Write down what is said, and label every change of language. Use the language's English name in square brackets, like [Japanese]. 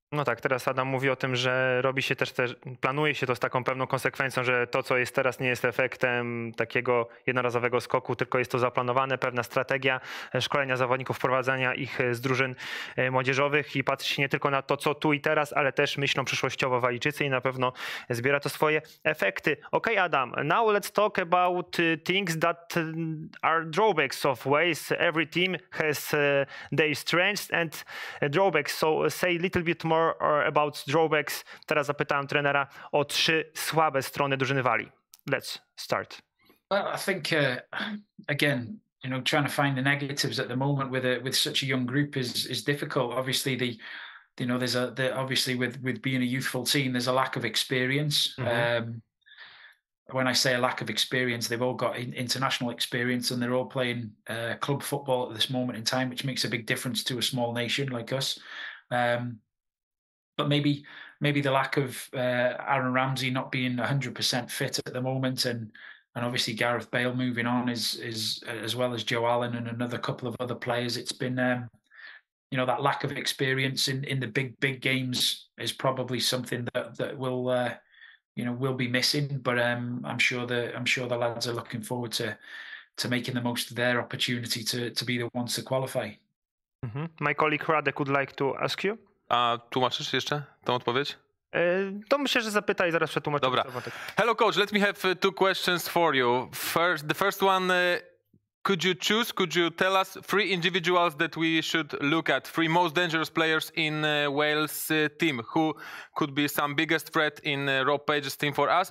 [Polish] No tak, teraz Adam mówi o tym, że robi się też planuje się to z taką pewną konsekwencją, że to, co jest teraz, nie jest efektem takiego jednorazowego skoku, tylko jest to zaplanowane, pewna strategia szkolenia zawodników, wprowadzania ich z drużyn młodzieżowych i patrzy się nie tylko na to, co tu i teraz, ale też myślą przyszłościowo Walijczycy i na pewno zbiera to swoje efekty. [English] Okay, Adam, now let's talk about things that are drawbacks of ways. Every team has their strengths and drawbacks, so say a little bit more or about drawbacks. [Polish] Teraz zapytałem trenera o trzy słabe strony drużyny Walii. [English] Let's start. Well, I think again, you know, trying to find the negatives at the moment with such a young group is difficult. Obviously, there's obviously with being a youthful team, there's a lack of experience. Mm-hmm. When I say a lack of experience, they've all got international experience and they're all playing club football at this moment in time, which makes a big difference to a small nation like us. But maybe the lack of Aaron Ramsey not being 100% fit at the moment, and obviously Gareth Bale moving on is as well as Joe Allen and another couple of other players. It's been you know, that lack of experience in the big games is probably something that will you know, will be missing. But I'm sure the lads are looking forward to making the most of their opportunity to be the ones to qualify. Mm-hmm. My colleague Radek would like to ask you. [Polish] A tłumaczysz jeszcze tą odpowiedź? To myślę, że zapytaj i zaraz przetłumaczę. Dobra. [English] Hello coach, let me have two questions for you. The first one, could you tell us three individuals that we should look at, three most dangerous players in Wales team, who could be some biggest threat in Rob Page's team for us?